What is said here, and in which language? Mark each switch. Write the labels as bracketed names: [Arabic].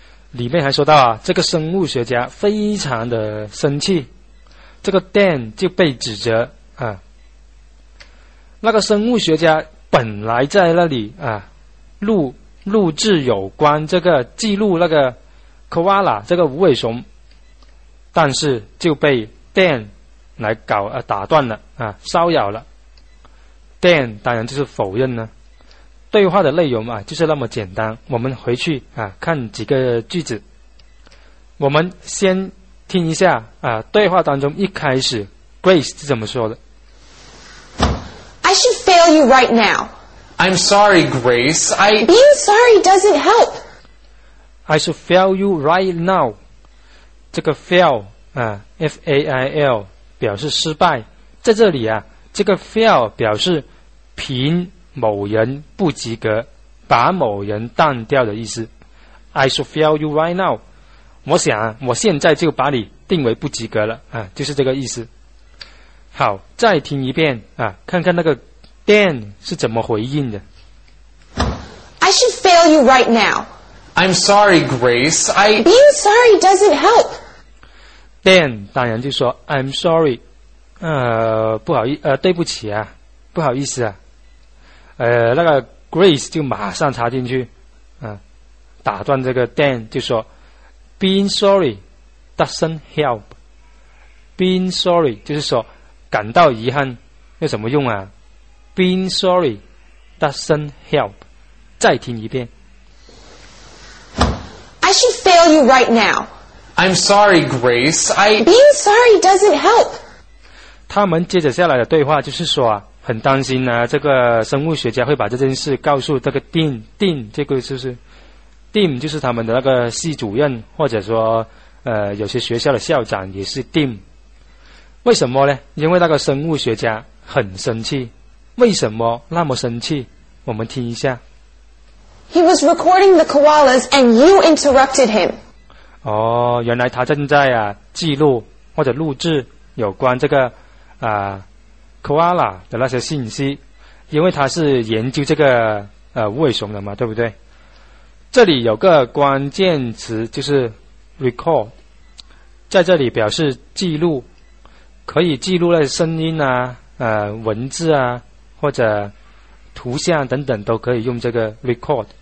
[Chinese] 里面还说到这个生物学家非常的生气，这个 Dan 就被指责那个生物学家本来在那里录制有关这个记录那个 Koala 这个无尾熊，但是就被 Dan来搞打断了骚扰了。 Dan 当然就是否认呢。对话的内容就是那么简单，我们回去看几个句子。我们先听一下对话当中一开始 Grace 是怎么说的。 [English] I should fail you right now. I'm sorry, Grace. Being sorry doesn't help. I should fail you right now. [Chinese] 这个 fail, F-A-I-L,表示失败，在这里这个 fail 表示评某人不及格，把某人当掉的意思。 [English] I should fail you right now. [Chinese] 我想我现在就把你定为不及格了啊，就是这个意思。好，再听一遍啊，看看那个 Dan 是怎么回应的。 [English] I should fail you right now. I'm sorry, Grace. I being sorry doesn't help. [Chinese] Dan 当然就说 [English] I'm sorry. [Chinese] 不好意思，对不起啊，不好意思啊。那个 Grace 就马上插进去，打断这个 Dan 就说 ， [English] Being sorry doesn't help. Being sorry [Chinese] 就是说感到遗憾有什么用啊 ？ [English] Being sorry doesn't help. [Chinese] 再听一遍。 [English] I should fail you right now. I'm sorry, Grace. Being sorry doesn't help. [Chinese] 他们接着下来的对话就是说啊，很担心呢、啊，这个生物学家会把这件事告诉这个 Dean 这个就是。 Dean 就是他们的那个系主任，或者说有些学校的校长也是 Dean。为什么呢？因为那个生物学家很生气。为什么那么生气？我们听一下。 [English] He was recording the koalas and you interrupted him. [Chinese] 哦，原来他正在啊记录或者录制有关这个koala 的那些信息，因为他是研究这个无尾熊的嘛，对不对？这里有个关键词就是 record， 在这里表示记录，可以记录的声音啊、文字啊或者图像等等都可以用这个 record。